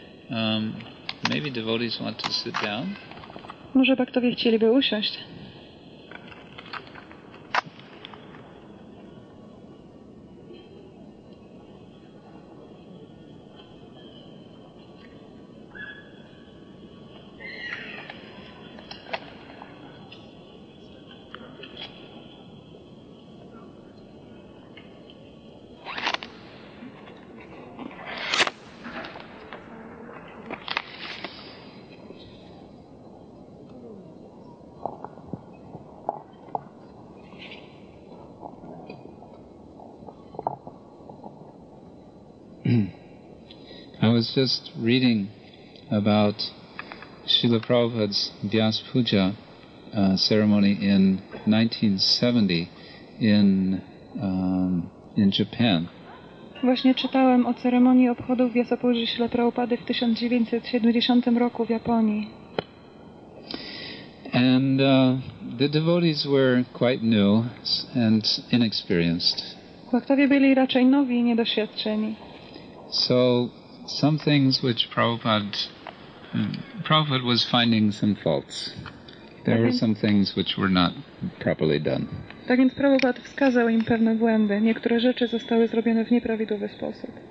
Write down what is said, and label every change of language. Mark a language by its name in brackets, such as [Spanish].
[English] Maybe devotees want to sit down. [Polish] Może baktowie chcieliby usiąść. [English] I was just reading about Srila Prabhupada's Vyas Puja ceremony in 1970 in Japan. [Polish] Właśnie czytałem o ceremonii obchodów Vyasa Puja Srila Prabhupada w 1970 roku w Japonii. [English] And the devotees were quite new and inexperienced. [Polish] Baktowie byli raczej nowi i niedoświadczeni. [English] So some things which Prabhupada was finding some faults. There were some things which were not properly done. [Polish] Tak więc Prabhupada wskazał im pewne błędy. Niektóre rzeczy zostały zrobione w nieprawidłowy sposób.